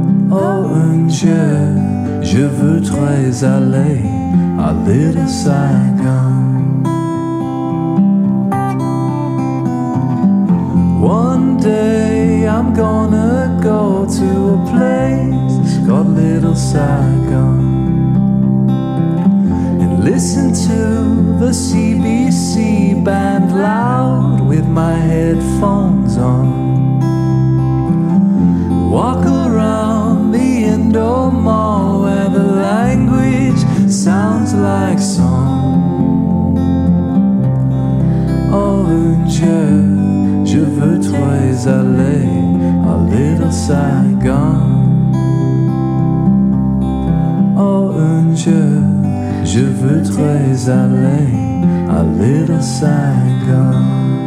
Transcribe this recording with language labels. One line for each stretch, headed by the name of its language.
French: Oh, un jour, je voudrais aller à Little Saigon.
English: One day I'm gonna go to a place called Little Saigon and listen to the CBC band loud with my headphones on. Walk around the Indo Mall where the language sounds like song.
French: Oh, un jour, je voudrais aller à Little Saigon. Oh, un jour, je voudrais aller à Little Saigon.